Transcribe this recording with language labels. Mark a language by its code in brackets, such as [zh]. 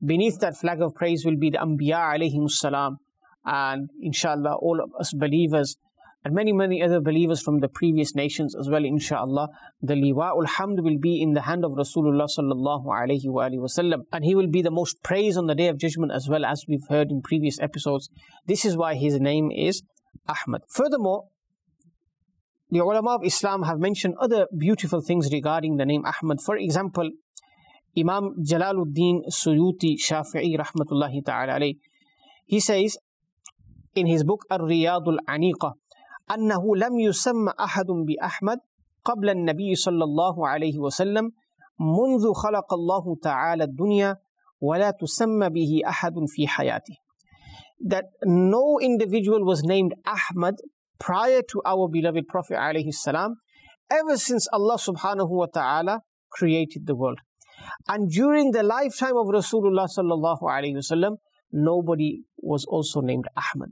[en] Beneath that flag of praise will be the Anbiya alayhim salam, and inshallah, all of us believers, and many, many other believers from the previous nations as well, inshallah, the liwa'ul hamd will be in the hand of Rasulullah sallallahu alayhi wa alayhi wa sallam. And he will be the most praised on the day of judgment as well, as we've heard in previous episodes. This is why his name is Ahmad. Furthermore, the ulama of Islam have mentioned other beautiful things regarding the name Ahmad. For example, Imam Jalaluddin Suyuti Shafi'i rahmatullahi ta'ala alayhi, he says in his book Ar-Riyadul Aniqa, [ar] أَنَّهُ لَمْ يُسَمَّ أَحَدٌ بِأَحْمَدٍ قَبْلَ النَّبِيِّ صَلَّى اللَّهُ عَلَيْهِ وَسَلَّمْ مُنْذُ خَلَقَ اللَّهُ تَعَالَى الدُّنْيَا وَلَا تُسَمَّ بِهِ أَحَدٌ فِي حَيَاتِهِ. [en] That no individual was named Ahmad prior to our beloved Prophet alayhi salam, ever since Allah subhanahu wa ta'ala created the world. And during the lifetime of Rasulullah sallallahu alayhi wa sallam, nobody was also named Ahmad.